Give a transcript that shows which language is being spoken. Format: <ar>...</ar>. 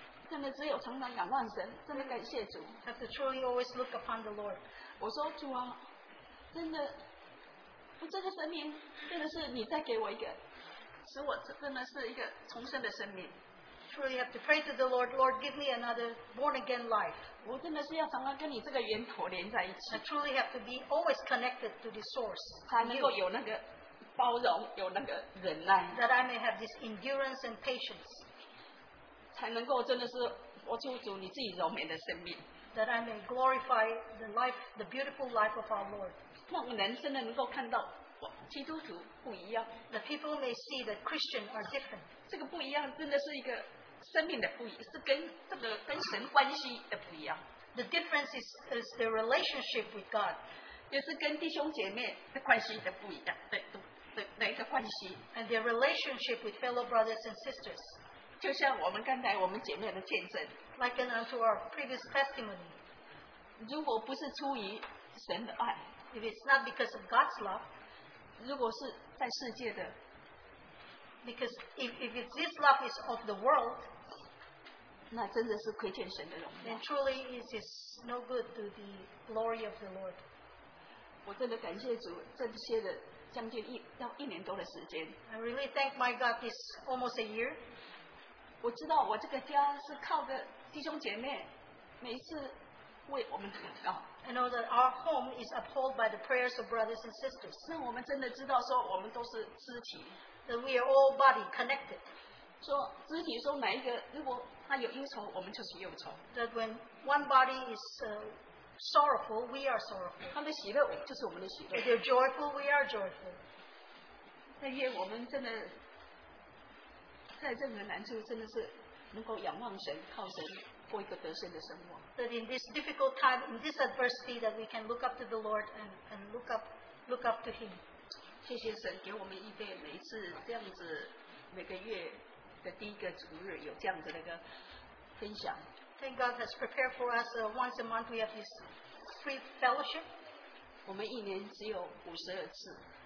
<zh>真的只有常常仰望神，真的感谢主。</zh> <en>Have to truly always look upon the Lord.</en> <zh>我说主啊，真的，我这个生命真的是你再给我一个，使我真的是一个重生的生命。</zh> <en>Truly have to pray to the Lord. Lord, give me another born again life.</en> <zh>我真的是要常常跟你这个源头连在一起。</zh> <en>I truly have to be always connected to the source.</en> <zh>才能够有那个包容，有那个忍耐。</zh> <en>That I may have this endurance and patience.</en> <zh>才能够真的是活出主你自己柔美的生命。</zh> <en>That I may glorify the life, the beautiful life of our Lord.</en> <zh>让人真的能够看到。基督徒不一样。</zh> <en>The people may see that Christians are different.</en> <zh>这个不一样真的是一个生命的不一样，是跟这个跟神关系的不一样。</zh> <en>The difference is the relationship with God.</en> <zh>也是跟弟兄姐妹的关系的不一样，的一个关系。</zh> <en>And their relationship with fellow brothers and sisters.</en> <zh>就像我们刚才我们姐妹的见证。</zh> <en>Like unto our previous testimony.</en> <zh>如果不是出于神的爱。</zh> <en>If it's not because of God's love.</en> <zh>如果是在世界的</zh> <en>，because if this love is of the world，</en> <zh>那真的是亏欠神的荣耀。</zh> <en>And truly, it is no good to the glory of the Lord。</en> <zh>我真的感谢主，这些的将近一年多的时间。</zh> <en>I really thank my God. This almost a year。</en> <zh>我知道我这个家是靠着弟兄姐妹，每一次为我们祷告。</zh> <en>I know that our home is upheld by the prayers of brothers and sisters.</en> <zh>让我们真的知道说我们都是肢体。</zh> <en>That we are all body connected.</en> <zh>说肢体说哪一个如果他有忧愁，我们就是忧愁。</zh> <en>That when one body is sorrowful, we are sorrowful.</en> <zh>他们喜乐，就是我们的喜乐。</zh> <en>If they're joyful, we are joyful.</en> <zh>那些我们真的在任何难处，真的是能够仰望神，靠神。过一个得胜的生活。</zh> <en>That in this difficult time, in this adversity, that we can look up to the Lord and look up to Him.</en> <zh>谢谢神给我们预备每一次这样子，每个月的第一个主日有这样子的一个分享。</zh> <en>Thank God has prepared for us once a month we have this free fellowship.</en> <zh>我们一年只有52次。</zh>